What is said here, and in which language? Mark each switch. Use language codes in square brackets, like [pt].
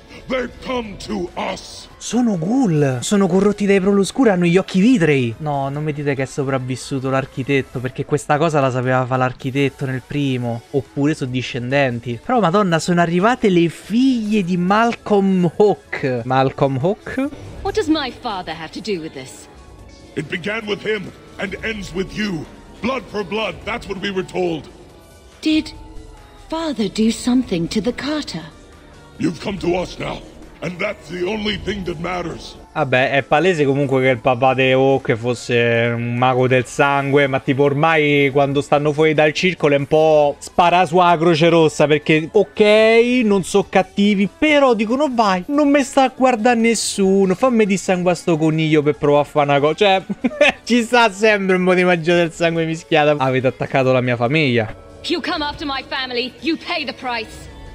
[en] They've come to us! [it] Sono ghoul! Sono corrotti dai Prole Oscure, hanno gli occhi vitrei! No, non mi dite che è sopravvissuto l'architetto, perché questa cosa la sapeva fare l'architetto nel primo. Oppure sono discendenti. Però, madonna, sono arrivate le figlie di Malcolm Hawk! [en] Malcolm Hawk? What does my father have to do with this? It began with him and ends with you. Blood for blood, that's what we were told. Did father do something to the Carter? You've come to us now, and that's the only thing that matters. [it] Vabbè, è palese comunque che il papà di Hawk fosse un mago del sangue, ma tipo ormai quando stanno fuori dal circolo è un po' spara sulla Croce Rossa, perché ok, non so cattivi, però dicono vai, non mi sta a guardare nessuno, fammi dissanguare sto coniglio per provare a fare una cosa, cioè ci sta sempre un po' di magia del sangue mischiata. Avete attaccato la mia famiglia. [en] You come after my family, you pay the price.